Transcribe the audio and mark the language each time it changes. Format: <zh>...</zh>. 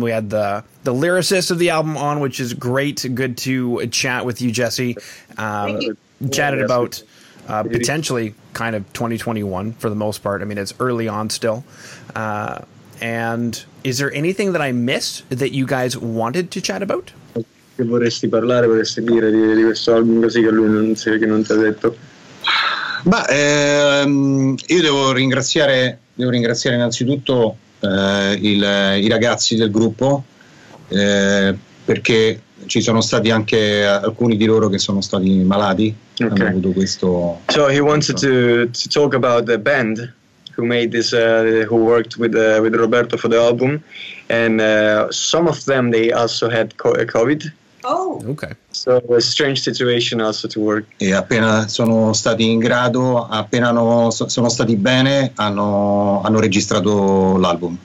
<en>We had the lyricist of the album on, which is great. Good to chat with you, Jesse. About potentially kind of 2021 for the most part. I mean, it's early on still. And is there anything that I missed that you guys wanted to chat about?</en> <it>Che vorresti parlare, vorresti dire di questo album così che lui non sa che non ti ha detto? Ma io devo ringraziare innanzitutto i ragazzi del gruppo perché ci sono stati anche alcuni di loro che sono stati malati.</it> <en>Okay. So he wanted to talk about the band, who made this, who worked with Roberto for the album, and some of them they also had COVID. Oh, okay. So a strange situation also to work.</en> <it>E appena sono stati in grado, appena no, sono stati bene, hanno registrato l'album.</it>